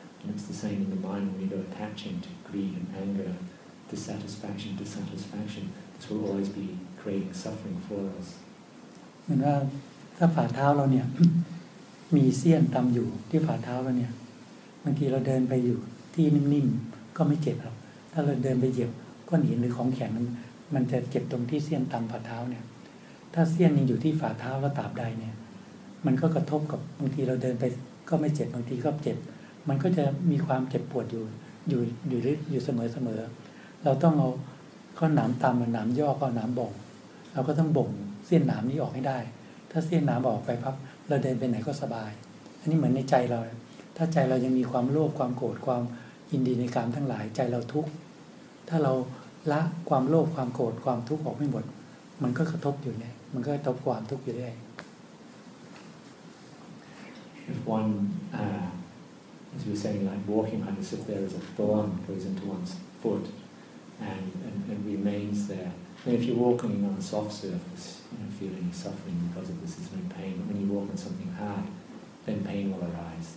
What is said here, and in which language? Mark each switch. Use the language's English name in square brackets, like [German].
[English] And it's the same in the mind when we go attaching to greed and anger, dissatisfaction. This will always be creating suffering for us. [Thai] เหมือนว่าถ้าฝ่าเท้าเราเนี่ยมีเสี้ยนตำอยู่ที่ฝ่าเท้าเราเนี่ยบางทีเราเดินไปอยู่ที่นิ่มๆก็ไม่เจ็บหรอกถ้าเราเดินไปเหยียบก้อนหินหรือของแข็งมันจะเจ็บตรงที่เสี้ยนตามฝ่าเท้าเนี่ยถ้าเสี้ยนยังอยู่ที่ฝ่าเท้าแล้วตราบใดเนี่ย มันก็กระทบกับบางทีเราเดินไปก็ไม่เจ็บบางทีก็เจ็บมันก็จะมีความเจ็บปวดอยู่เสมอเราต้องเอาข้อหนามตามหนามย่อข้อหนามบ่งเราก็ต้องบ่งเสี้ยนหนามนี้ออกให้ได้ถ้าเสี้ยนหนามออกไปปั๊บเราเดินไปไหนก็สบายอันนี้เหมือนในใจเราถ้าใจเรายังมีความโลภความโกรธความยินดีในกามทั้งหลายใจเราทุกข์ถ้าเรา ละความโลภความโกรธความทุกข์ออกไม่หมดมันก็กระทบอยู่เนี่ยมันก็กระทบความทุกข์อยู่เรื่อย [English] If one, as you were saying, like walking on as if there is a thorn goes into one's foot and remains there. And if you're walking on a soft surface, you know, feeling suffering because of this, there's no pain. But when you walk on something hard, then pain will arise.